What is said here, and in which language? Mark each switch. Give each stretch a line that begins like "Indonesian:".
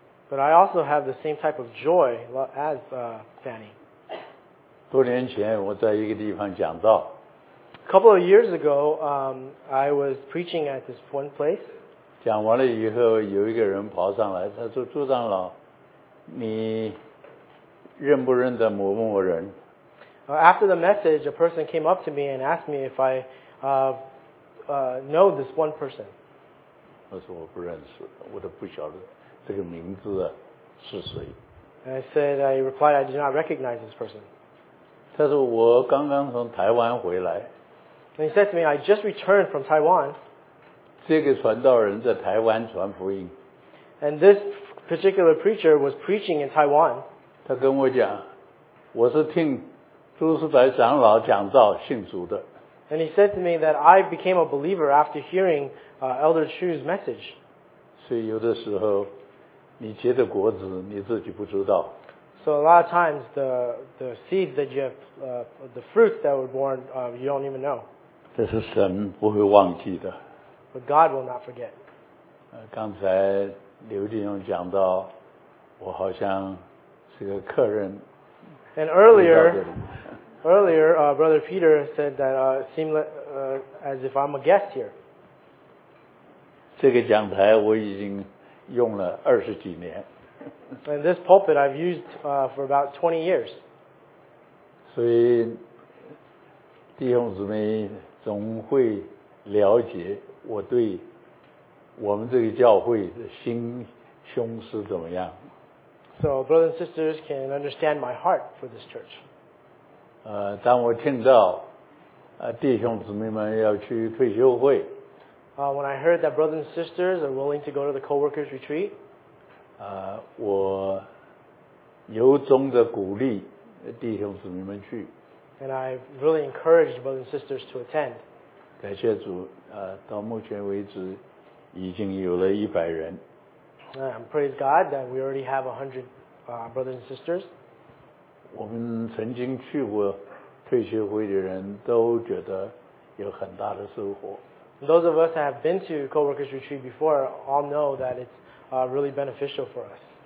English: But I also have the same type of joy as Fanny.
Chinese: 多年前我在一个地方讲道。
English: A couple of years ago, I was preaching at this one place.
Chinese: 讲完了以后，有一个人跑上来，他说：“朱长老，你认不认得某某人？”
English: After the message, a person came up to me and asked me if I know this one person.
Chinese: 我说我不认识，我都不晓得这个名字是谁。
English: I replied, I do not recognize this person.
Chinese: 他说我刚刚从台湾回来。
English: And he said to me, I just returned from Taiwan.
Chinese: 这个传道人在台湾传福音。
English: And this particular preacher was preaching in Taiwan.
Chinese: 他跟我讲，我是听朱世白长老讲道信主的。
English: And he said to me that I became a believer after hearing Elder Chu's message.
Chinese: 所以有的时候你结的果子你自己不知道。
English: So a lot of times the seeds that you have, the fruits that were born, you don't even know.
Chinese: 这是神不会忘记的。
English: But God will not forget.
Chinese: 刚才刘弟兄讲到我好像是个客人。
English: And earlier, Brother Peter said that seemed as if I'm a guest here.
Chinese: 这个讲台我已经用了二十几年。
English: And this pulpit I've used for about 20 years.
Chinese: 所以弟兄姊妹总会了解我对我们这个教会的心胸是怎么样。
English: So brothers and sisters can understand my heart for this church.
Chinese: 当我听到弟兄姊妹们要去退休会。
English: When I heard that brothers and sisters are willing to go to the co-workers retreat,
Chinese: 我由衷的鼓励弟兄姊妹们去。
English: And I really encouraged brothers and sisters to attend.
Chinese: 感谢主，到目前为止已经有了一百人。
English: Praise God that we already have 100 brothers and sisters.
Chinese: 我们曾经去过退休会的人都觉得有很大的收获。
English: Those of us that have been to co-workers retreat before all know that it's really beneficial for us.